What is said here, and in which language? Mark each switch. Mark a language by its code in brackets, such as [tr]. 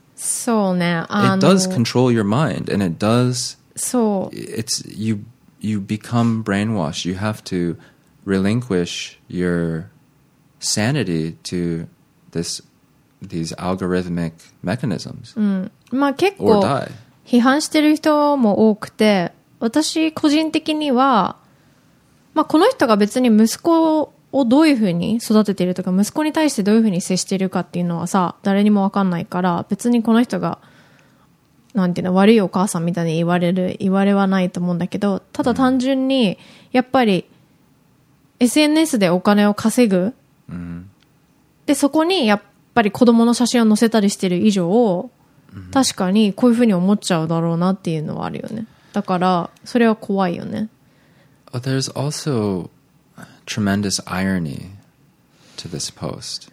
[ja] そうね。 [en] It does control your mind, and it does... [ja] そう。 [en] It's, you become brainwashed. You have to relinquish your sanity to these algorithmic mechanisms. うん。 [ja] まあ結構、批判してる人も多くて、私個人的には、まあ、この人が別に息子をどういうふうに育てているとか、息子に対してどういうふうに接しているかっていうのはさ、誰にも分かんないから、別にこの人がなんていうの、悪いお母さんみたいに言われはないと思うんだけど、ただ単純にやっぱり SNS でお金を稼ぐ、でそこにやっぱり子供の写真を載せたりしている以上、確かにこういうふうに思っちゃうだろうなっていうのはあるよね。だからそれは怖いよね。 [en] But there's also tremendous irony to this post.